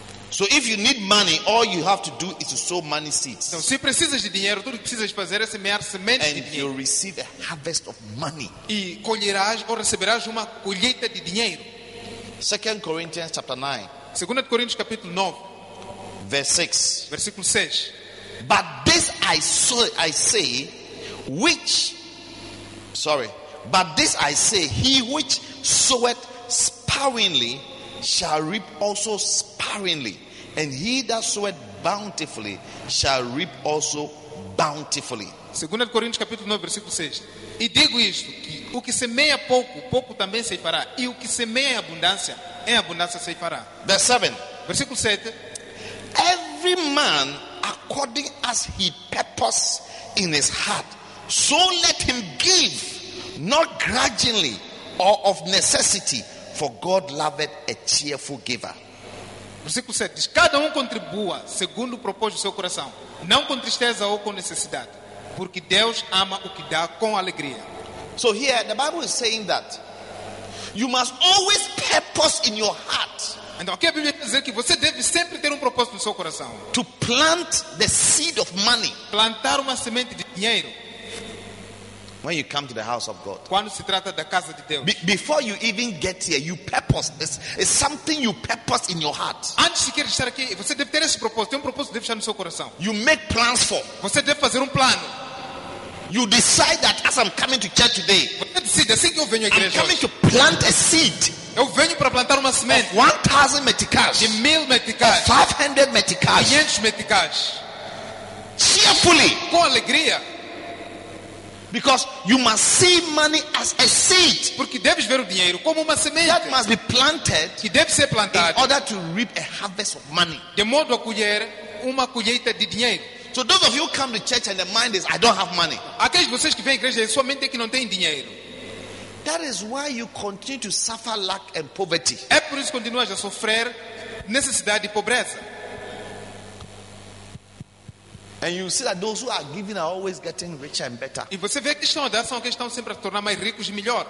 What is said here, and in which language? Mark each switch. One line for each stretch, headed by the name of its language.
English: So if you need money, all you have to do is to sow money seeds.
Portuguese: Então, se precisas de dinheiro, tudo o que precisas fazer é semear semente and de dinheiro.
English: And you'll receive a harvest of money.
Portuguese: E colherás ou receberás uma colheita de dinheiro.
English: 2 Corinthians chapter 9.
Portuguese: 2 Coríntios capítulo 9, versículo 6.
English: But this I say, he which soweth sparingly shall reap also sparingly, and he that soweth bountifully shall reap also bountifully.
Portuguese: 2 Coríntios capítulo 9, versículo 6. E digo isto, que o que semeia pouco, pouco também se fará, e o que semeia abundância, em abundância se fará.
English: Verse 7.
Portuguese: Versículo 7.
English: Every man according as he purposes in his heart, so let him give, not grudgingly or of necessity, for God loveth a cheerful giver.
Portuguese: Versículo 7. Diz, cada contribua segundo o propósito do seu coração, não com tristeza ou com necessidade, porque Deus ama o que dá com alegria.
English: So here the Bible is saying that you must always purpose in your heart.
Portuguese: Então aqui a Bíblia está dizendo que você deve sempre ter propósito no seu coração.
English: To plant the seed of money.
Portuguese: Plantar uma semente de dinheiro.
English: When you come to the house of God.
Portuguese: Quando se trata da casa de Deus.
English: Before you even get here, you purpose. It's something you purpose in your heart.
Portuguese: Antes de chegar aqui, você deve ter esse propósito. Tem propósito deve estar no seu coração.
English: You make plans for.
Portuguese: Você deve fazer plano.
English: You decide that as I'm coming to church today, I'm coming to plant a seed.
Portuguese: Eu venho para plantar uma semente.
English: 1,000 meticais.
Portuguese: De 1,000 meticais.
English: 500 meticais.
Portuguese: 500 meticais.
English: Cheerfully.
Portuguese: Com alegria.
English: Because you must see money as a seed.
Portuguese: Porque deves ver o dinheiro como uma semente.
English: That must be planted.
Portuguese: Que deve ser plantado.
English: In order to reap a harvest of money.
Portuguese: De modo a colher uma colheita de dinheiro.
English: So those of you who come to church and the mind is, I don't have money.
Portuguese: Aqueles de vocês que vêm à igreja é somente que não tem dinheiro.
English: That is why you continue to suffer lack and poverty.
Portuguese: É por isso que continuas a sofrer necessidade e pobreza.
English: And you see that those who are giving are always getting richer and better.
Portuguese: E você vê que estão a dar são que estão sempre a tornar mais ricos e melhor.